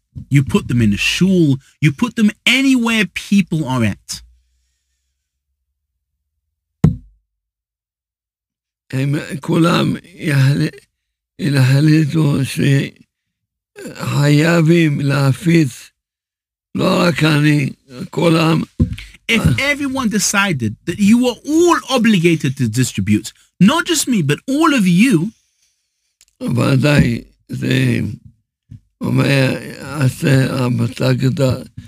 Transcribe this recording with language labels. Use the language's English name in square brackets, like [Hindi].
[English] You put them in a shul. You put them anywhere people are at. [Hebrew] הם כולם יחליטו שחייבים להפיץ, לא רק אני, כולם. [English] If everyone decided that you were all obligated to distribute, not just me, but all of you. [Hebrew] ודאי, זה אומר, עשה המתה גדולה.